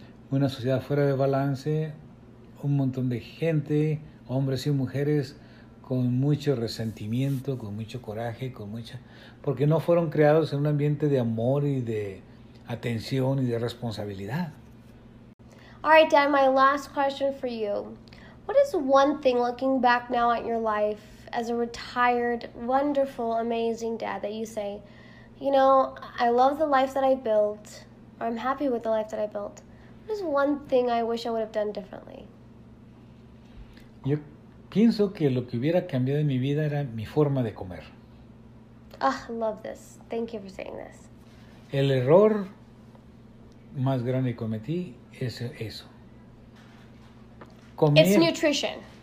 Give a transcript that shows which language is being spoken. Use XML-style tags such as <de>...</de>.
<es>Una sociedad fuera de balance, un montón de gente, hombres y mujeres, con mucho resentimiento, con mucho coraje, porque no fueron creados en un ambiente de amor y de atención y de responsabilidad.</es> <en>All right, Dad, my last question for you. What is one thing, looking back now at your life, as a retired, wonderful, amazing dad, that you say, you know, I love the life that I built, or I'm happy with the life that I built. What is one thing I wish I would have done differently?</en> <es>Yo pienso que lo que hubiera cambiado en mi vida era mi forma de comer.</es> <en>Ah, I love this. Thank you for saying this.</en> <es>El error más grande que cometí es eso.</es> <en>Comer. It's nutrition.</en>